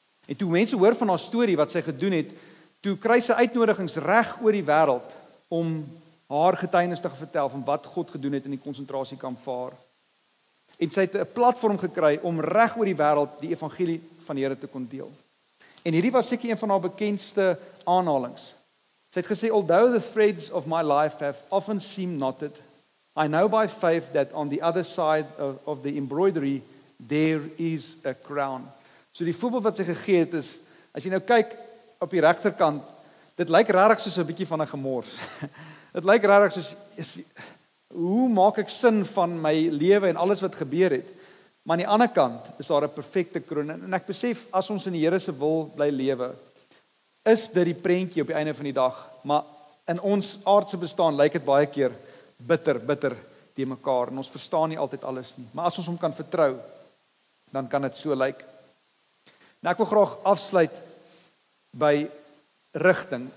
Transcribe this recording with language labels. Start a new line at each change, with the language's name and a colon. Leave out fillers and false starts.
Afrikaans: En toe mense hoor van haar story, wat sy gedoen het, toe kry sy uitnodigings reg oor die wêreld, om haar getuienis te vertel van wat God gedoen het in die konsentrasiekamp vir haar. En sy het 'n platform gekry om reg oor die wêreld die evangelie van die Here te kon deel. En hierdie was seker een van haar bekendste aanhalings.
English: Sy het gesê, although the threads of my life have often seemed knotted, I know by faith that on the other side of the embroidery, there is a crown.
Afrikaans: So die voorbeeld wat sy gegee het is, as jy nou kyk op die regterkant, dit lyk rarig soos 'n bietjie van 'n gemors. Het lyk rarig soos, hoe maak ek sin van my lewe en alles wat gebeur het? Maar aan die ander kant is daar 'n perfekte kroon. En ek besef, as ons in die Here se wil bly lewe, is dit die prentjie op die einde van die dag. Maar in ons aardse bestaan lyk het baie keer bitter, bitter die mekaar. En ons verstaan nie altyd alles nie. Maar as ons hom kan vertrou, dan kan het so lyk. Nou ek wil graag afsluit by rigting.